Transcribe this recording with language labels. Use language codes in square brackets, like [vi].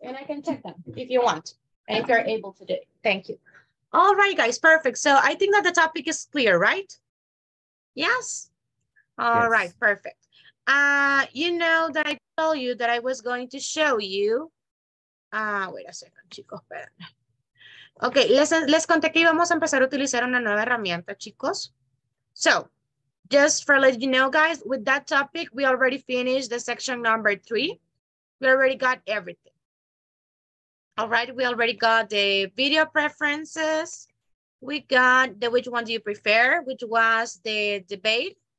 [en] And I can check them if you want, and if you're able to do it. Thank you. All right, guys, perfect. So I think that the topic is clear, right? Yes? All right, perfect. You know that I told you that I was going to show you. Wait a second, [es] chicos, perdón. Ok, les conté que íbamos a empezar a utilizar una nueva herramienta, chicos. [en] So, just for letting you know, guys, with that topic, we already finished the section number 3. We already got everything. All right, we already got the video preferences. We got the which one do you prefer, which was the debate.